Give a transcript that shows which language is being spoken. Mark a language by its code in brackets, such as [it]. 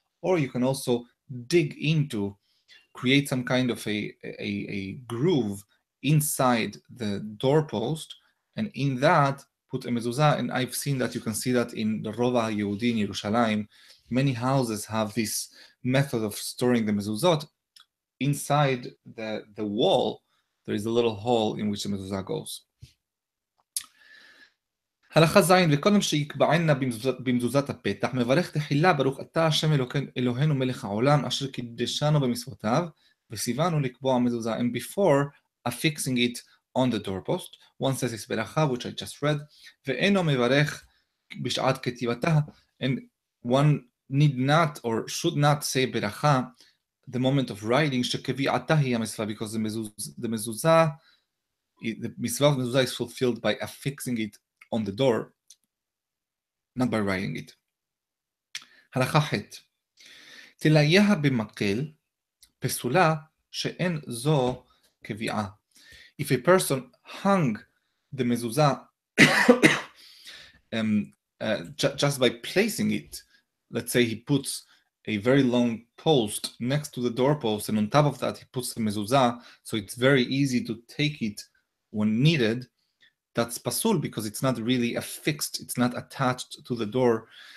[en] Or you can also dig into, create some kind of a groove inside the doorpost, and in that put a mezuzah. And I've seen that, you can see that in the Rova Yehudi in Yerushalayim, many houses have this method of storing the mezuzot. Inside the wall, there is a little hole in which the mezuzah goes. [he] הלכה זין, וקודם שיקבענה במזוזת הפתח, מברך תחילה ברוך אתה השם אלוהינו מלך העולם, אשר קידשנו במצוותיו, וסיוונו לקבוע מזוזה. [en] And before affixing it on the doorpost, one says this ברכה, which I just read, [he] ואינו מברך בשעת כתיבתה, [en] and one need not or should not say ברכה, the moment of writing, [he] שקביעתה היא המצווה, [en] because the mitzvah is fulfilled by affixing it on the door, not by writing it. [he] הלכה חת. תלייה במקל פסולה שאין זו קביעה. [en] If a person hung the mezuzah just by placing it, let's say he puts a very long post next to the doorpost, and on top of that he puts the mezuzah, so it's very easy to take it when needed, that's pasul, because it's not really affixed, it's not attached to the door.